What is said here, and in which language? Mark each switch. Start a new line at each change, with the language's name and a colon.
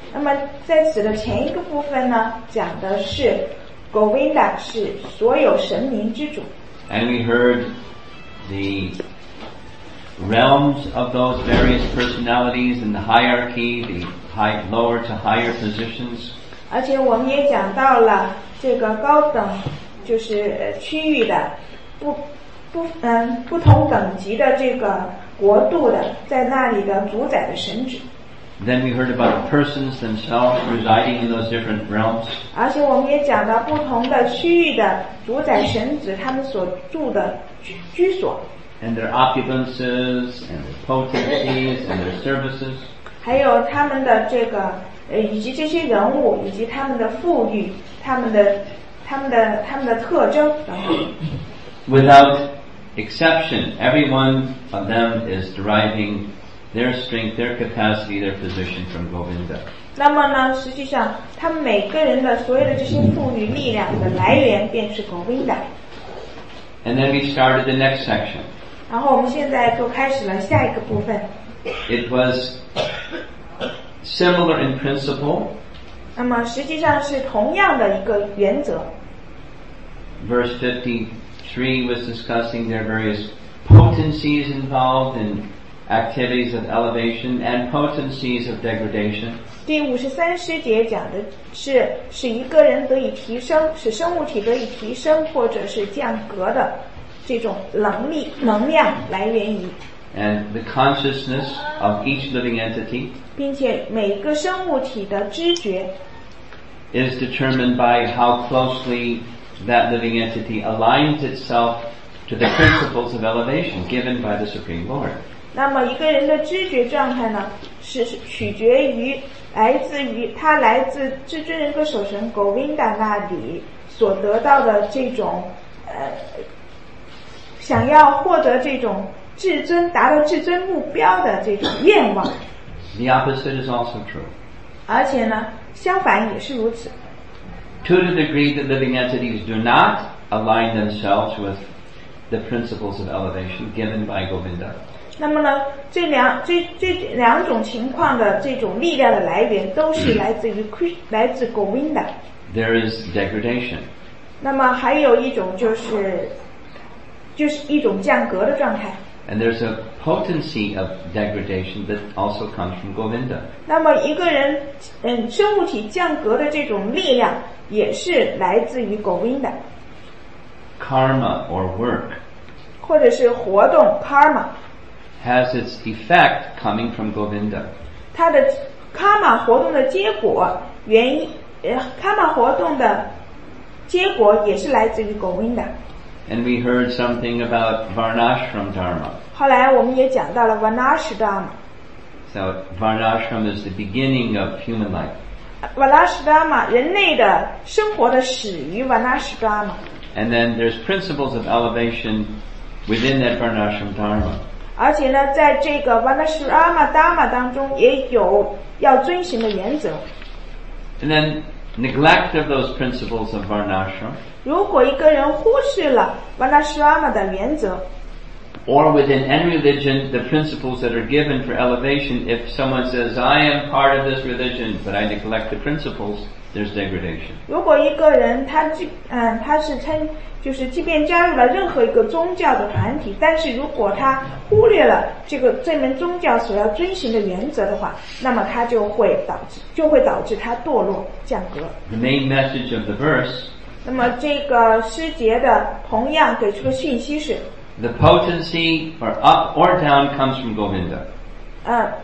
Chinese: 那么在此的前一个部分呢，讲的是 Govinda 是所有神明之主。
English: And we heard the realms of those various personalities and the hierarchy, the high, lower to higher positions.
Chinese: 而且我们也讲到了这个高等，就是区域的不同等级的这个国度的在那里的主宰的神职。
English: Then we heard about the persons themselves residing in those different realms.
Chinese: 而且我们也讲到不同的区域的主宰神职他们所住的居所。
English: And their occupances and their potencies and their services.
Chinese: 还有他们的这个以及这些人物以及他们的富裕他们的特征等等。
English: Without exception, every one of them is deriving their strength, their capacity, their position from Govinda.
Chinese: 那么呢，实际上，他们每个人的所有的这些赋予力量的来源便是 Govinda.
English: And then we started the next section.
Chinese: 然后我们现在就开始了下一个部分。
English: It was similar in principle.
Chinese: 那么实际上是同样的一个原则。
English: Verse 53 was discussing their various potencies involved in activities of elevation and potencies of degradation.
Chinese: 第五十三诗节讲的是使一个人得以提升，使生物体得以提升或者是降格的这种能力能量来源于。
English: And the consciousness of each living entity.
Chinese: 并且每个生物体的知觉
English: is determined by how closely that living entity aligns itself to the principles of elevation given by the Supreme Lord.
Chinese: 那么一个人的知觉状态呢是取决于来自于他来自至尊人格守神 Govinda 那里所得到的这种想要获得这种至尊达到至尊目标的这种愿望。
English: The opposite is also true.
Chinese: 而且呢相反也是如此。
English: To the degree that living entities do not align themselves with the principles of elevation given by Govinda.
Chinese: 那么呢，这两种情况的这种力量的来源都是来自于来自 Govinda.
English: There is degradation.
Chinese: 那么还有一种就是一种降格的状态。
English: And there's a potency of degradation that also comes from Govinda.
Chinese: 那么一个人，生物体降格的这种力量也是来自于 Govinda.
English: Karma or work.
Chinese: 或者是活动 karma.
English: Has its effect coming from Govinda.
Chinese: 它的 karma 活动的结果原因karma 活动的结果也是来自于 Govinda.
English: And we heard something about Varnashram Dharma.
Chinese: 后来我们也讲到了 Varnashram Dharma.
English: So Varnashram is the beginning of human life.
Chinese: 瓦拉什达玛，人类的生活的始于瓦拉什达玛。
English: And then there's principles of elevation within that Varnashram Dharma.
Chinese: 而且呢，在这个瓦拉什达玛达玛当中，也有要遵循的原则。
English: And then neglect of those principles of Varnashram.
Chinese: 如果一个人忽视了瓦拉什达玛的原则。
English: Or within any religion, the principles that are given for elevation, if someone says, I am part of this religion, but I neglect the principles, there's degradation.
Chinese: 如果一个人他是称就是即便加入了任何一个宗教的团体，但是如果他忽略了这门宗教所要遵循的原则的话，那么他就会导致他堕落降格。
English: The main message of the verse,
Chinese: 那么这个诗节的同样给出的讯息是
English: The potency for up or down comes from Govinda.